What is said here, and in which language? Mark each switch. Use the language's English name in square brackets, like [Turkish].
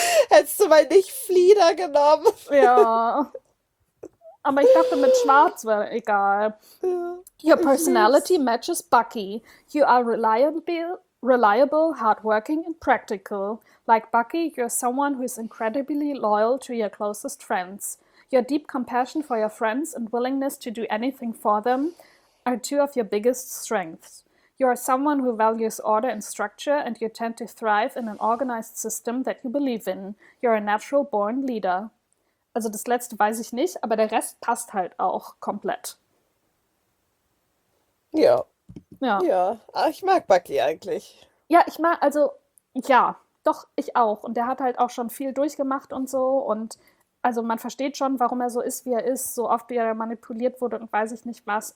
[German] hättest du mal nicht Flieder genommen? Ja. Aber ich dachte, mit Schwarz wäre egal. [English] Your [German] Ich [English] personality [German] lieb's. [English] matches Bucky. You are reliable, hardworking and practical. Like Bucky, you're someone who is incredibly loyal to your closest friends. Your deep compassion for your friends and willingness to do anything for them are two of your biggest strengths. You are someone who values order and structure, and you tend to thrive in an organized system that you believe in. You're a natural born leader. [German] Also das Letzte weiß ich nicht, aber der Rest passt halt auch komplett. Ja, Ja. ach, ich mag Bucky eigentlich. Ja, ich mag, also ja, doch, ich auch. Und der hat halt auch schon viel durchgemacht und so. Und also man versteht schon, warum er so ist, wie er ist, so oft wie er manipuliert wurde und weiß ich nicht was.